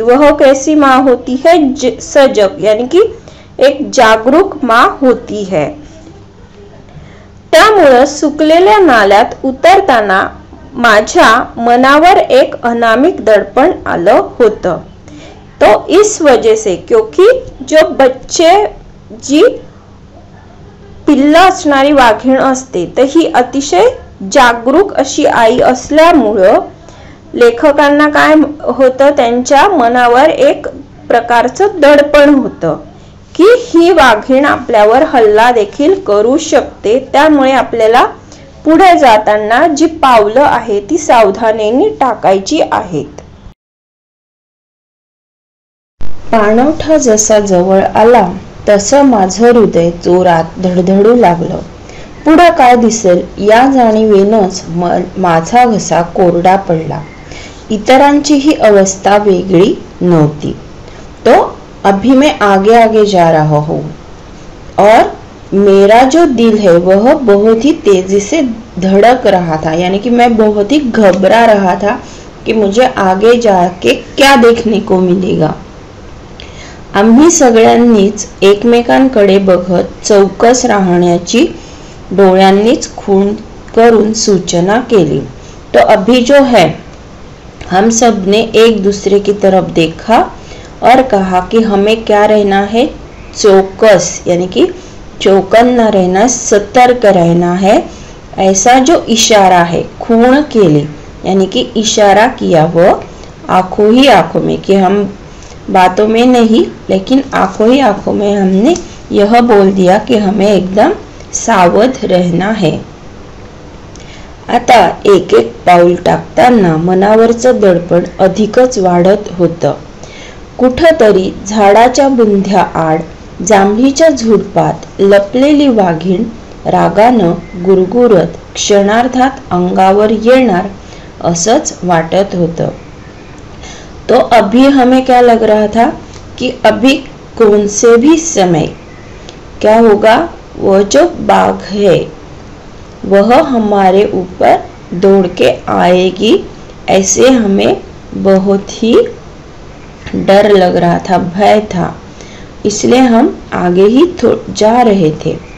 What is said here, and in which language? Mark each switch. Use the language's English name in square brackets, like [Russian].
[Hindi] वह कैसी माँ होती है, सजग यानी कि एक जागरूक माँ होती है। [Marathi] त्यामुळे सुकलेल्या नाल्यात उतरताना माझ्या मनावर एक अनामिक दडपण आलं होतं। [Hindi] तो इस वजह से क्योंकि जो बच्चे जी [Marathi] पिल्ला असणारी वाघीण असते तर ही अतिशय जागरूक अशी आई असल्यामुळे लेखकांना काय होतं, त्यांच्या मनावर एक प्रकारचं दडपण होतं की ही वाघीण आपल्यावर हल्ला देखील करू शकते, त्यामुळे आपल्याला पुढे जाताना जी पावलं आहे ती सावधानीने टाकायची आहेत. पाणवठा जसा जवळ आला तसं माझं हृदय जोरात धडधडू लागलं. पुढं काय दिसेल या जाणीवेनंच माझा घसा कोरडा पडला. इतरांची ही अवस्था वेगळी नव्हती. [Hindi] तो अभी मैं आगे आगे जा रहा हूँ और मेरा जो दिल है वह बहुत ही तेजी से धड़क रहा था, यानी कि मैं बहुत ही घबरा रहा था कि मुझे आगे जाके क्या देखने को मिलेगा. [Marathi] आम्ही सगळ्यांनीच एकमेकांकडे बघत चौकस राहण्याची डोळ्यांनीच खून करून सूचना केली. [Hindi] तो अभी जो है हम सबने एक दूसरे की तरफ देखा और कहा कि हमें क्या रहना है, चौकस, यानी कि चौकन्ना रहना, सतर्क रहना है. ऐसा जो इशारा है खून के लिए, यानी कि इशारा किया वो आंखों ही आंखों में, कि हम बातों में नहीं लेकिन आंखों ही आंखों में हमने यह बोल दिया कि हमें एकदम सावध रहना है. [Marathi] आता एक एक पाऊल टाकताना मनावरचं दडपण अधिकच वाढत होतं. कुठतरी झाडाच्या बुंध्या आड जांभीच्या झुडपात लपलेली वाघीण रागानं गुरगुरत क्षणार्धात अंगावर येणार असंच वाटत होतं. [Hindi] तो अभी हमें क्या लग रहा था कि अभी कौन से भी समय क्या होगा, वह जो बाघ है वह हमारे ऊपर दौड़ के आएगी, ऐसे हमें बहुत ही डर लग रहा था, भय था, इसलिए हम आगे ही जा रहे थे.